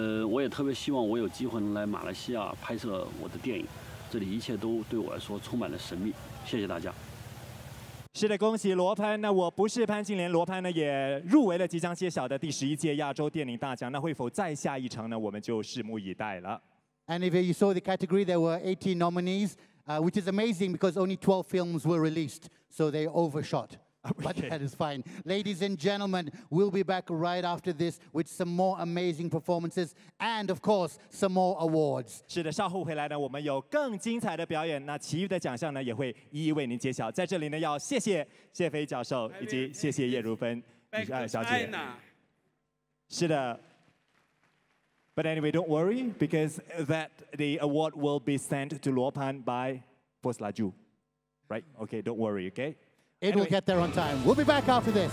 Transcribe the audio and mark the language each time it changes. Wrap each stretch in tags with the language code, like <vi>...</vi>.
<zh>我也特别希望我有机会能来马来西亚拍摄我的电影，这里一切都对我来说充满了神秘，谢谢大家。是的，恭喜罗潘。那我不是潘金莲，罗潘呢也入围了即将揭晓的第十一届亚洲电影大奖，那会否再下一城呢？我们就拭目以待了。And</zh> <en>if you saw the category, there were 18 nominees, which is amazing because only 12 films were released, so they overshot. But that is fine. Ladies and gentlemen, we'll be back right after this with some more amazing performances and, of course, some more awards.</en> <zh>是的，稍后回来呢，我们有更精彩的表演。那其余的奖项呢，也会一一为您揭晓。在这里呢，要谢谢谢飞教授以及谢谢叶如芬小姐。是的。</zh> <en>But anyway, don't worry, because that the award will be sent to Luopan by Post Laju. Right? Okay, don't worry, okay? It will get there on time. We'll be back after this.</en>